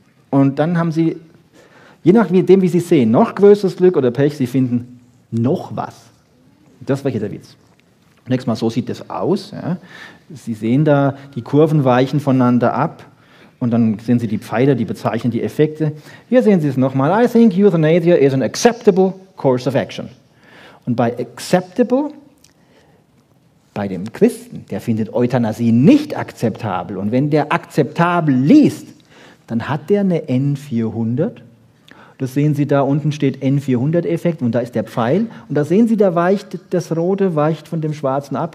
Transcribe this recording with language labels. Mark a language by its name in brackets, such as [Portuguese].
[German] Und dann haben Sie, je nachdem, wie Sie sehen, noch größeres Glück oder Pech, Sie finden noch was. Das war hier der Witz. Nächstes Mal, so sieht das aus. Ja. Sie sehen da, die Kurven weichen voneinander ab und dann sehen Sie die Pfeiler, die bezeichnen die Effekte. Hier sehen Sie es nochmal. [English] I think euthanasia is an acceptable course of action. [German] Und bei acceptable, bei dem Christen, der findet Euthanasie nicht akzeptabel. Und wenn der akzeptabel liest, dann hat der eine N400. Das sehen Sie, da unten steht N400-Effekt und da ist der Pfeil. Und da sehen Sie, da weicht das Rote weicht von dem Schwarzen ab.